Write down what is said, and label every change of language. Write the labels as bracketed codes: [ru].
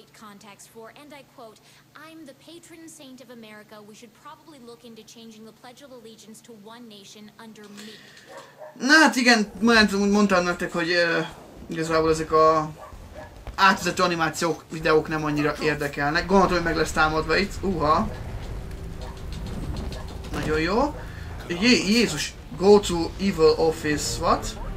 [en] Context for, and I quote, I'm the patron saint of America. We should probably look into changing the Pledge of Allegiance to one nation under me. [hu] Na hát igen, mondtam nektek, hogy igazából ezek a átvezető animációk, videók nem annyira érdekelnek. Gondoltam, hogy meg lesz támadva itt. Uha. Nagyon jó. [en] Jézus, go to evil office, what?